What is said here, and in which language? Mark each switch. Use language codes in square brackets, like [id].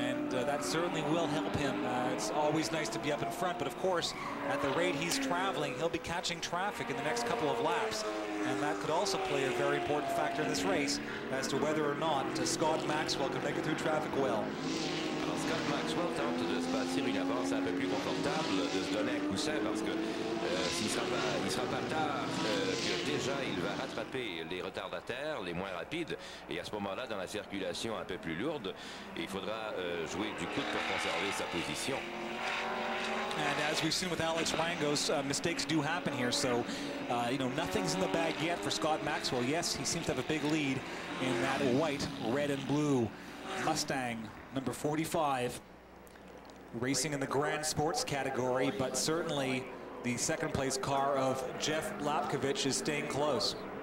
[en] That certainly will help him. It's always nice to be up in front, but of course, at the rate he's traveling, he'll be catching traffic in the next couple of laps, and that could also play a very important factor in this race as to whether or not Scott Maxwell can make it through traffic well. [fr] Alors Scott Maxwell tente de se bâtir une avance un peu plus confortable, de se donner un coussin, parce que s'il sera pas tard, déjà il va rattraper les retardataires, les moins rapides, et à ce moment-là, dans la circulation un peu plus lourde, il faudra jouer du coude pour conserver sa position. [en] And as we've seen with Alex Rangos, mistakes do happen here, so, you know, nothing's in the bag yet for Scott Maxwell. Yes, he seems to have a big lead in that white, red and blue Mustang. Number 45, racing in the Grand Sports category, but certainly the second-place car of Jeff Lapkovich is staying close.